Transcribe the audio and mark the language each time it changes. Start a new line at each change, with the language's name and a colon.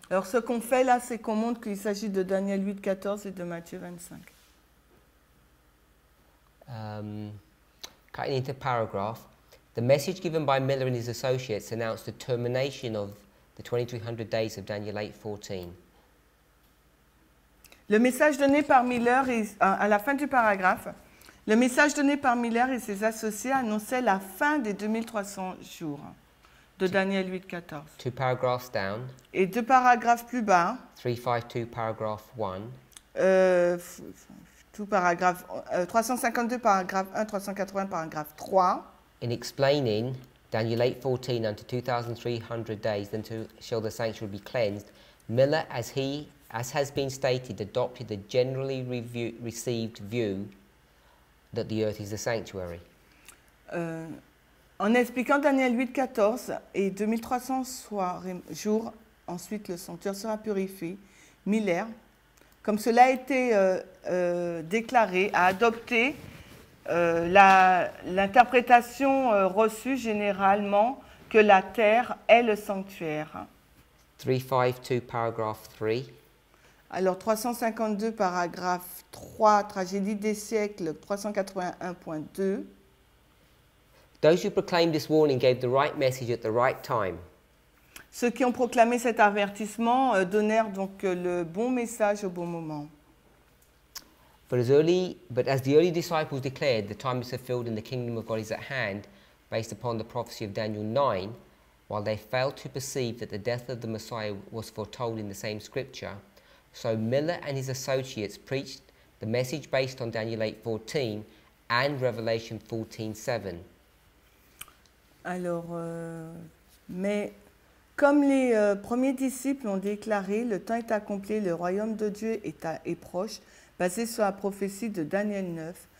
French: Alors ce qu'on fait là, c'est qu'on montre qu'il s'agit de Daniel 8, 14 et de Matthieu 25.
English: Cutting into paragraph, the message given by Miller and his associates announced the termination of the 2300 days of Daniel 8, 14.
French: Le message donné par Miller et, à la fin du paragraphe, le message donné par Miller et ses associés annonçait la fin des 2300 jours de Daniel 8, 14.
English: Two paragraphs down.
French: Et deux paragraphes plus bas.
English: 352, paragraph 1.
French: Paragraphe, 352, paragraphe 1, 380, paragraphe 3.
English: In explaining Daniel 8, 14 unto 2300 days, then shall the sanctuary be cleansed, Miller, as has been stated, adopted the generally received view that the earth is the sanctuary.
French: En expliquant Daniel 8, 14 et 2300 jours, ensuite le sanctuaire sera purifié, Miller, comme cela a été déclaré, a adopté l'interprétation reçue généralement que la terre est le sanctuaire. 352, paragraphe 3. Alors 352, paragraphe 3, tragédie des siècles, 381.2.
English: Those who proclaimed this warning gave the right message at the right time.
French: Ceux qui ont proclamé cet avertissement donnèrent donc le bon message au bon moment.
English: But as the early disciples declared, the time is fulfilled and the kingdom of God is at hand, based upon the prophecy of Daniel 9, while they failed to perceive that the death of the Messiah was foretold in the same scripture, so Miller and his associates preached the message based on Daniel 8:14 and Revelation 14:7.
French: Alors, mais comme les premiers disciples ont déclaré, le temps est accompli, le royaume de Dieu est proche, basé sur la prophétie de Daniel 9.